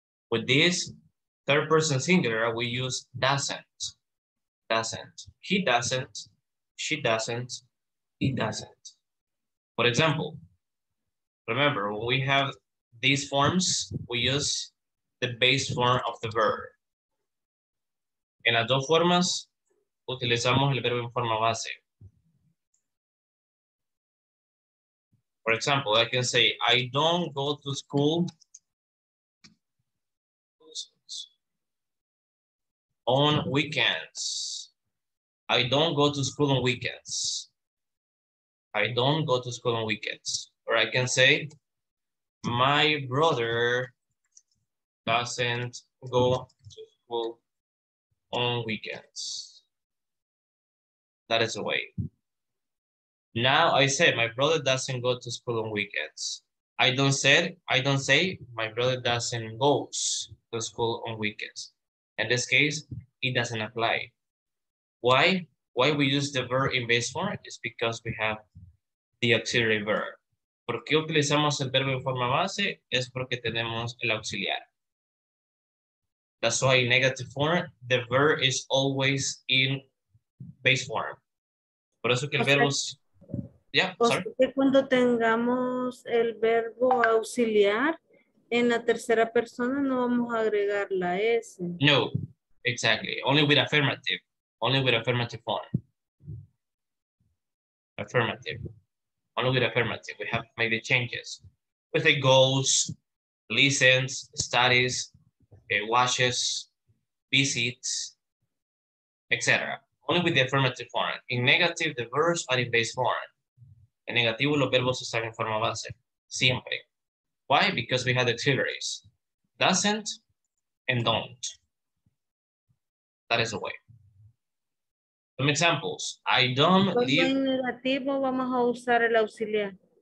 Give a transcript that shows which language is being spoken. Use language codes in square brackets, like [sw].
[en] With this third person singular, we use doesn't, doesn't. He doesn't, she doesn't, he doesn't. For example, remember, when we have these forms, we use the base form of the verb. [es] En las dos formas, utilizamos el verbo en forma base. [en] For example, I can say, I don't go to school on weekends. I don't go to school on weekends. I don't go to school on weekends. Or I can say, my brother doesn't go to school on weekends. That is the way. Now I say, my brother doesn't go to school on weekends. I don't say, my brother doesn't go to school on weekends. In this case, it doesn't apply. Why? Why we use the verb in base form? It's because we have the auxiliary verb. [es] ¿Por qué utilizamos el verbo en forma base? Es porque tenemos el auxiliar. [en] That's why in negative form, the verb is always in base form. [es] Por eso que el verbo... [en] Yeah, sorry. [es] Que cuando tengamos el verbo auxiliar, en la tercera persona no vamos a agregar la S. [en] No, exactly. Only with affirmative. Only with affirmative form. Affirmative. Only with affirmative. We have made the changes. We say goes, listens, studies, watches, visits, etc. Only with the affirmative form. In negative, the verbs are in base form. [es] En negativo, los verbos están en forma base. Siempre. [en] Why? Because we have the auxiliaries. Doesn't and don't. That is the way. Some examples. I don't live. [es] En negativo vamos a usar el auxiliar.